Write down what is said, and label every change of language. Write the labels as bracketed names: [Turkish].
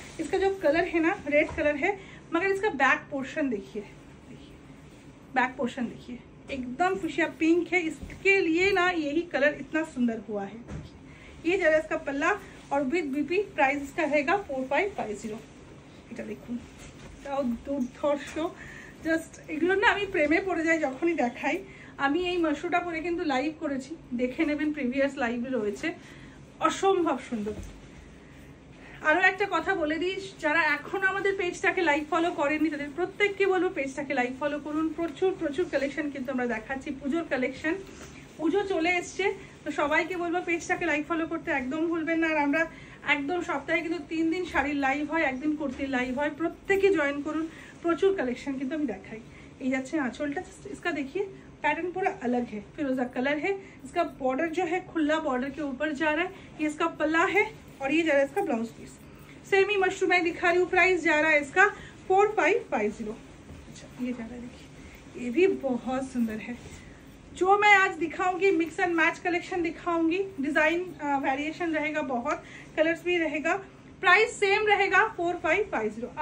[Hindi] इसका जो कलर है ना रेड कलर है, मगर इसका बैक पोर्शन देखिए, बैक पोर्शन देखिए एकदम फुशिया पिंक है, इसके लिए ना यही कलर इतना सुंदर हुआ है। ये जरा इसका पल्ला और विद बीपी, प्राइस इसका रहेगा 4550। [Bangla] इटा देखूँ तो दुर्धर्ष, जस्ट एगुलो ना हमें प्रेमे पड़े जाए जखनी देखाई। আমি এই মাশরুটা পরে কিন্তু লাইভ করেছি, দেখে নেবেন প্রিভিয়াস লাইভ রয়েছে, অসম্ভব সুন্দর। আরও একটা কথা বলে দিই, যারা এখনও আমাদের পেজটাকে লাইভ ফলো করেননি তাদের প্রত্যেককে বলবো পেজটাকে লাইভ ফলো করুন, প্রচুর প্রচুর কালেকশন কিন্তু আমরা দেখাচ্ছি, পুজোর কালেকশন, পুজো চলে এসছে, তো সবাইকে বলবো পেজটাকে লাইভ ফলো করতে একদম ভুলবেন না। আর আমরা একদম সপ্তাহে কিন্তু 3 দিন শাড়ির লাইভ হয়, 1 দিন কুর্তির লাইভ হয়, প্রত্যেকে জয়েন করুন, প্রচুর কালেকশন কিন্তু আমি দেখাই। এই যাচ্ছে আঁচলটা, [Hindi] ইসকা দেখিয়ে पैटर्न पूरा अलग है, फिरोजा कलर है, इसका बॉर्डर जो है खुला बॉर्डर के ऊपर जा रहा है, ये इसका पल्ला है और ये जा रहा है इसका ब्लाउज पीस। सेमी मशरूम मैं दिखा रही हूँ, प्राइस जा रहा है इसका 4550। अच्छा ये जा रहा है, देखिए ये भी बहुत सुंदर है। जो मैं आज दिखाऊंगी मिक्स एंड मैच कलेक्शन दिखाऊंगी, डिजाइन वेरिएशन रहेगा बहुत, कलर्स भी रहेगा, प्राइस सेम रहेगा 4550।